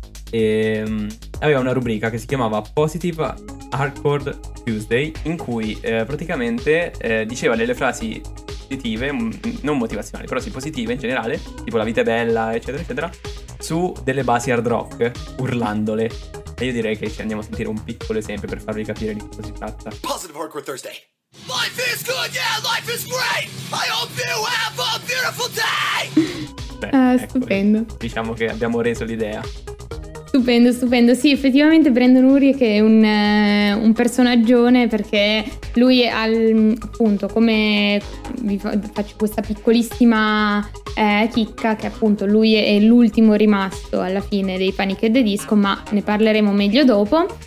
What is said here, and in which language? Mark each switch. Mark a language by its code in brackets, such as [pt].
[it] E aveva una rubrica che si chiamava Positive Hardcore Tuesday, in cui praticamente diceva delle frasi positive, non motivazionali, però sì positive in generale, tipo la vita è bella, eccetera eccetera, su delle basi hard rock, urlandole. E io direi che ci andiamo a sentire un piccolo esempio per farvi capire di cosa si tratta. [en] Positive Hardcore Thursday. Life is good, yeah, life is great, I hope you have a beautiful day. [it] Stupendo, diciamo che abbiamo reso l'idea. Stupendo, stupendo. Sì, effettivamente Brandon Urie, che è un personaggione, perché lui è appunto, come vi faccio questa piccolissima chicca, che appunto lui è l'ultimo rimasto alla fine dei Panic at the Disco, ma ne parleremo meglio dopo.